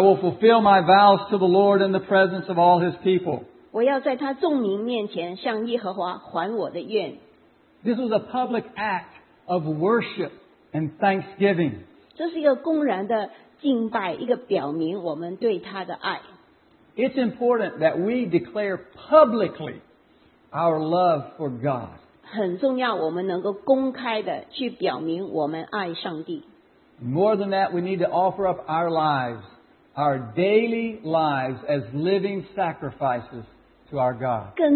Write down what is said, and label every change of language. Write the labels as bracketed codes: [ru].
[en] will fulfill my vows to the Lord in the presence of all his people. [zh] 我要在他众民面前向耶和华还我的愿。 [en] This was a public act of worship and thanksgiving. [zh] 这是一个公然的敬拜，一个表明我们对他的爱。 [en] It's important that we declare publicly our love for God. [zh] 很重要，我们能够公开的去表明我们爱上帝。 [en] More than that, we need to offer up our lives, our daily lives, as living sacrifices to our God.